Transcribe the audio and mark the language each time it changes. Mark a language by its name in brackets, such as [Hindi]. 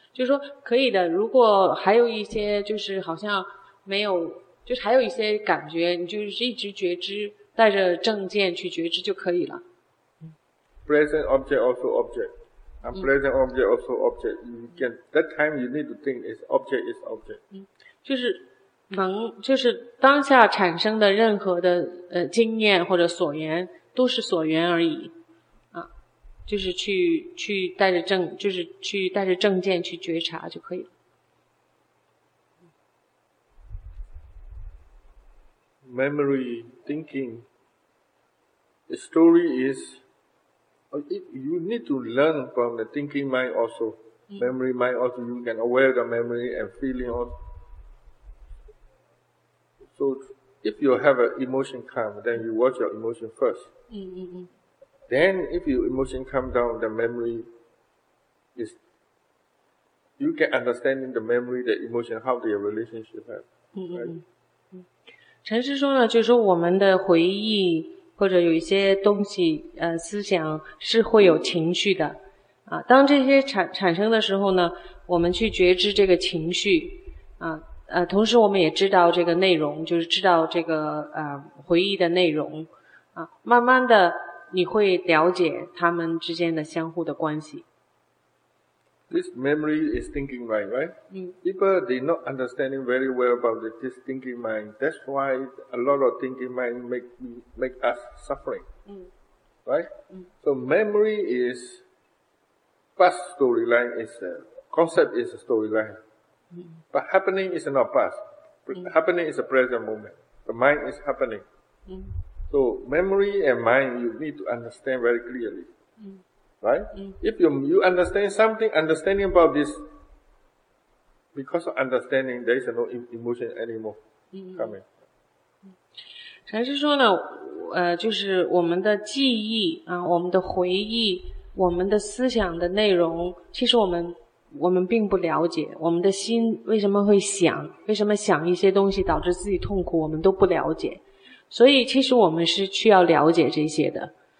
[Chinese] 就是说可以的，如果还有一些就是好像没有就是还有一些感觉，你就是一直觉知，带着正见去觉知就可以了。 [English] Present object also object. And present object also object. You can, that time you need to think is object is object. [Chinese] 就是能就是当下产生的任何的经验或者所缘都是所缘而已。啊就是去带着正就是去带着正见去觉察就可以了。 [English] Memory, thinking, the story is, you need to learn from the thinking mind also, memory mind also, you can aware the memory and feeling also. So if you have an emotion come, then you watch your emotion first. Then if your emotion come down, the memory is, you can understand the memory, the emotion, how their relationship have, right? [Chinese] 陈师说呢，就是说我们的回忆或者有一些东西，思想是会有情绪的，啊，当这些产生的时候呢，我们去觉知这个情绪，同时我们也知道这个内容，就是知道这个回忆的内容，啊，慢慢的你会了解他们之间的相互的关系。 [English] This memory is thinking mind, right? People, they're not understanding very well about this thinking mind. That's why a lot of thinking mind make us suffering. Right? So memory is, past storyline is, concept is a storyline. But happening is not past. Happening is a present moment. The mind is happening. So memory and mind, you need to understand very clearly. Right? If you understand something, understanding about this, because of understanding, there is no emotion anymore coming. [Chinese] 禅师说呢，就是我们的记忆啊，我们的回忆，我们的思想的内容，其实我们并不了解，我们的心为什么会想，为什么想一些东西导致自己痛苦，我们都不了解，所以其实我们是需要了解这些的。